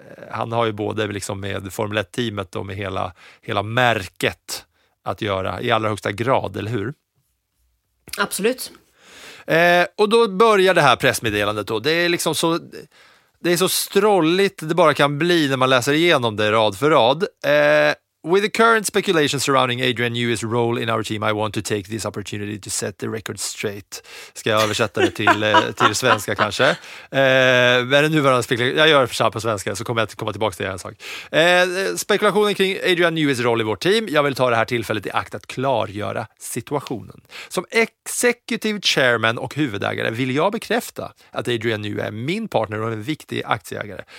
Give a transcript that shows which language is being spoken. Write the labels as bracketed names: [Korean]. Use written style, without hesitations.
[Swedish] Han har ju både liksom med Formel 1-teamet och med hela märket att göra i allra högsta grad, eller hur? Absolut. Och då börjar det här pressmeddelandet då. Det är liksom så, det är så strolligt det bara kan bli när man läser igenom det rad för rad. [English] With the current speculation surrounding Adrian Newey's role in our team, I want to take this opportunity to set the record straight. [Swedish] Ska jag översätta det till svenska kanske? Men det nuvarande spekulationen, jag gör det på svenska, så kommer jag komma tillbaka till en sak. Spekulationen kring Adrian Newey's roll i vårt team, jag vill ta det här tillfället i akt att klargöra situationen. Som executive chairman och huvudägare vill jag bekräfta att Adrian Newey är min partner och en viktig aktieägare.